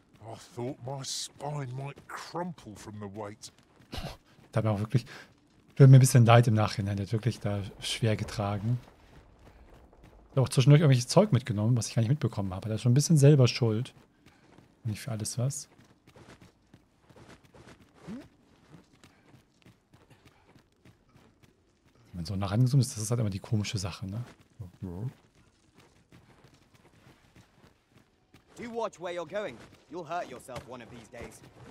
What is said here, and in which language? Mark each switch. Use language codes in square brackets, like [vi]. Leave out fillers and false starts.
[en] I thought my spine might crumple from the weight. [de] Da war wirklich. Tut mir ein bisschen leid im Nachhinein. Der hat wirklich da schwer getragen. Auch zwischendurch irgendwelches Zeug mitgenommen, was ich gar nicht mitbekommen habe. Da ist schon ein bisschen selber schuld. Nicht für alles was. Wenn man so nah rangezoomt ist, das ist halt immer die komische Sache, ne? [en] Do watch where you're going. You'll hurt yourself one of these days.